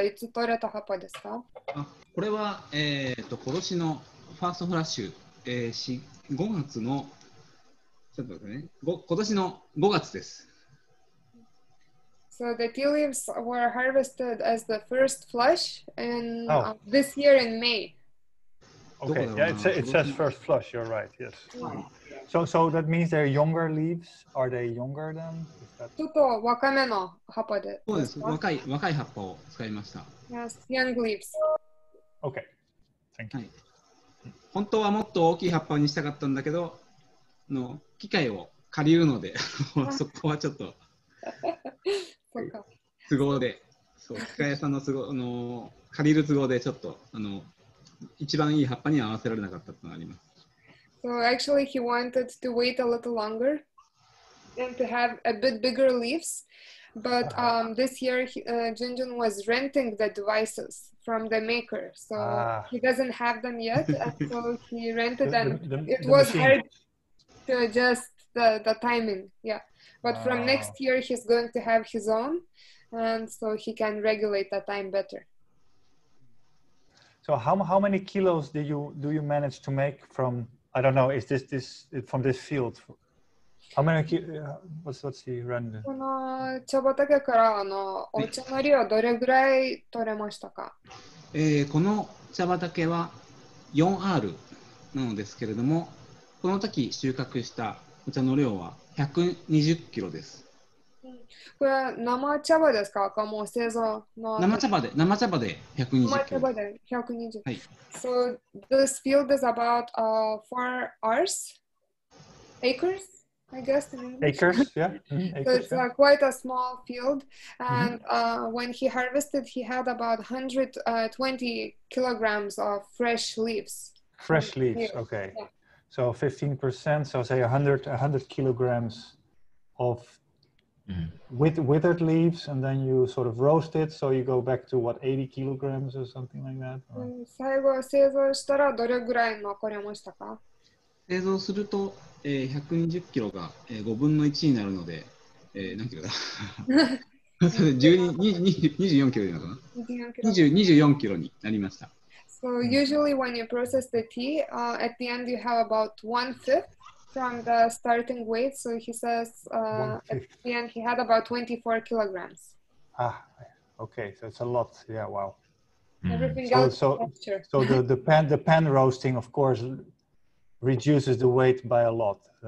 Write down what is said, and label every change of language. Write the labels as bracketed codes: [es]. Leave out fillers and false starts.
[ja] いつ取れた葉っぱですか？あ、これは、今年のファーストフラッシュ、5月の、ちょっと待ってね、今年の5月です。 [en] So the tea leaves were harvested as the first flush in, this year in May. Okay, yeah, it says first flush, you're right, yes. So that means they're younger leaves, are they younger than... [ja] ちょっと若めの葉っぱで。そうです。若い葉っぱを使いました。 [en] Yes, young leaves. Okay. Thank you.、はい、 [ja] 本当はもっと大きい葉っぱにしたかったんだけど、機械を借りるので、そこはちょっと、そうか。都合で、そう、機械屋さんの都合、借りる都合でちょっと、一番いい葉っぱに合わせられなかったというのがあります。 [en] So actually he wanted to wait a little longerand to have a bit bigger leaves, but this year Jinjin was renting the devices from the maker, so he doesn't have them yet, and so he rented them. It was hard to adjust the timing, yeah. But from next year, he's going to have his own, and so he can regulate the time better. So how many kilos do you manage to make from, I don't know, is this from this field? How many what's the run? [ja] この茶畑からあのお茶の量はどれぐらい取れましたか？この茶畑は 4R なのですけれども、この時収穫したお茶の量は120キロです。これは生茶葉ですか？赤毛製造の生茶葉で120キロ。生茶葉で120。はい。 [en] So this field is about 4 acres? Acres? I guess in English. Acres, yeah. So it's quite a small field. And when he harvested, he had about 120 kilograms of fresh leaves. Fresh leaves, okay. Yeah. So 15%, so say 100 kilograms of withered leaves, and then you sort of roast it, so you go back to what, 80 kilograms or something like that? [ja] 最後製造したらどれぐらい残りましたか？製造すると120キロが5分の1になるので、何キロだ ?24 キロになるのかな ?24 キロになりました。 [en] So usually when you process the tea,at the end you have about 1/5 from the starting weight. So he says at the end he had about 24 kilograms. Ah, okay, so it's a lot. Yeah, wow. Everything else so the pan roasting, of course,reduces the weight by a lot.